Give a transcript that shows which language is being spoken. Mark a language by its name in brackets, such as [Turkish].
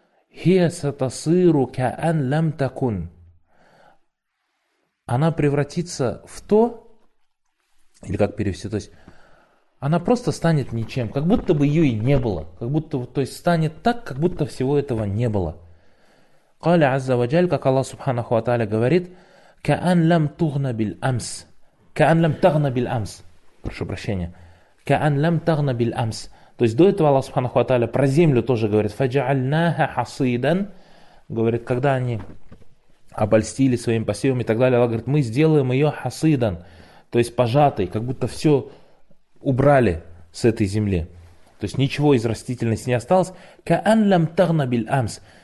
[Arabic] هِيَ سَتَصِيرُ كَأَنْ لَمْ تَكُنْ. [Russian] Она превратится в то, или как перевести, то есть она просто станет ничем, как будто бы ее и не было, как будто, то есть станет так, как будто всего этого не было. [Arabic] قال عز وجل, [Russian] как [Arabic] الله سبحانه وتعالى [Russian] говорит, [Arabic] كأن لم تغن بالأمس, كأن لم تغن بالأمس, [Russian] прошу прощения, [Arabic] كأن لم تغن بالأمس. [Russian] То есть до этого Аллах Субханаху ва Тааля про землю тоже говорит, [Arabic] фаджальнаха хасидан, [Russian] говорит, когда они обольстили своим посевом и так далее, Аллах говорит, мы сделаем ее хасидан, то есть пожатой, как будто все убрали с этой земли. То есть ничего из растительности не осталось. [Arabic] Каан лам тагна биль амс.